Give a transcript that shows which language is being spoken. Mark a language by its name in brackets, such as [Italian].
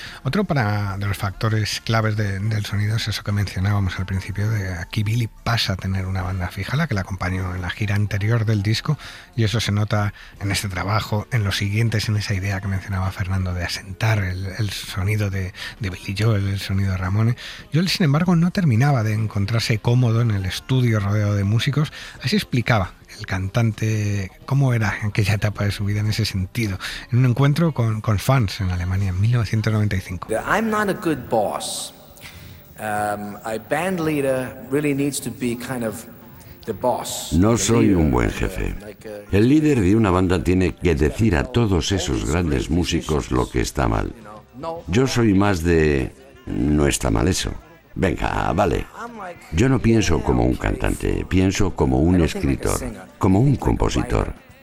[Spanish] Otro de los factores claves del sonido es eso que mencionábamos al principio, de aquí Billy pasa a tener una banda fija, la que la acompañó en la gira anterior del disco, y eso se nota en este trabajo, en los siguientes, en esa idea que mencionaba Fernando de asentar el sonido de Billy Joel, el sonido de Ramone. Joel, sin embargo, no terminaba de encontrarse cómodo en el estudio rodeado de músicos. Así explicaba el cantante cómo era en aquella etapa de su vida en ese sentido, en un encuentro con fans en Alemania en 1995. [English] I'm not a good boss. A band leader really needs to be kind of the boss. [Spanish] No soy un buen jefe. El líder de una banda tiene que decir a todos esos grandes músicos lo que está mal. Yo soy más de no está mal eso. Venga, vale. Yo no pienso como un cantante, pienso como un escritor, como un compositor.